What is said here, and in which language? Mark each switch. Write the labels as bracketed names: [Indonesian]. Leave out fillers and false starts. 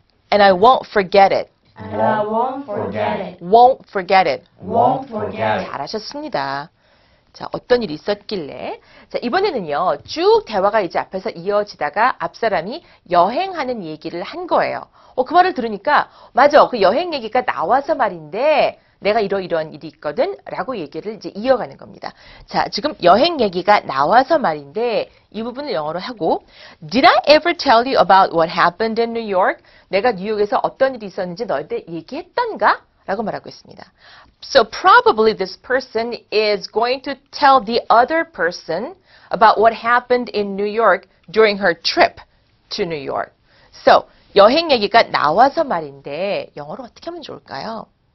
[English] It was a terrible experience and I won't forget it. Won't forget it. [Korean] 잘하셨습니다. 자, 어떤 일이 있었길래? 자, 이번에는요, 쭉 대화가 이제 앞에서 이어지다가 앞사람이 여행하는 얘기를 한 거예요. 그 말을 들으니까, 맞아, 그 여행 얘기가 나와서 말인데, 내가 이러이러한 일이 있거든 라고 얘기를 이제 이어가는 겁니다. 자, 지금 여행 얘기가 나와서 말인데 이 부분을 영어로 하고 [English] Did I ever tell you about what happened in New York? [Korean] 내가 뉴욕에서 어떤 일이 있었는지 너한테 얘기했던가? 라고 말하고 있습니다. [English] So probably this person is going to tell the other person about what happened in New York during her trip to New York. [Korean] So, 여행 얘기가 나와서 말인데 영어로 어떻게 하면 좋을까요?